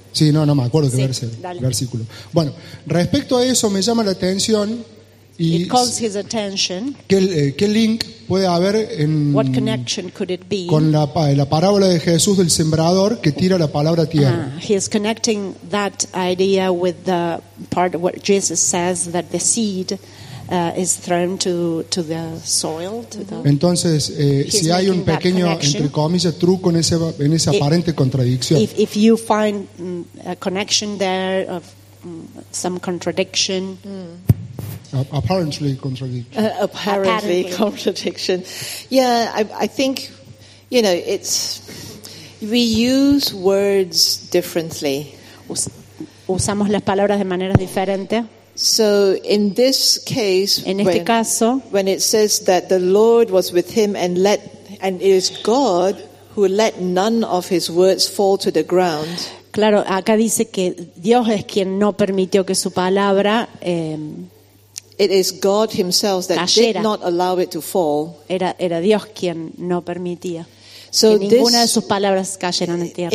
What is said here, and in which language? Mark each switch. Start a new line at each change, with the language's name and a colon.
Spanish: Sí, no me acuerdo qué sí, verse, versículo. Bueno, respecto a eso me llama la atención y
English: it calls his attention.
Spanish: ¿Qué link puede haber en
English: what connection could it be?
Spanish: Con la parábola de Jesús del sembrador que tira la palabra a tierra?
English: He is connecting that idea with the part of what Jesus says that the seed is thrown to the soil.
Spanish: Entonces, si hay un pequeño entre comillas truco en ese en esa aparente contradicción.
English: If you find a connection there of some contradiction. Apparently contradiction. Apparently contradiction. Yeah, I think you know it's we use words differently.
Spanish: Usamos las palabras de manera diferente.
English: So in this case,
Spanish: en este caso,
English: when it says that the Lord was with him and let, and it is God who let none of his words fall to the ground.
Spanish: Claro, acá dice que Dios es quien no permitió que su palabra.
English: It is God himself that
Spanish: cayera.
English: Did not allow it to fall.
Spanish: Era Dios quien no permitía.
English: So
Spanish: que ninguna de sus palabras cayeran en tierra.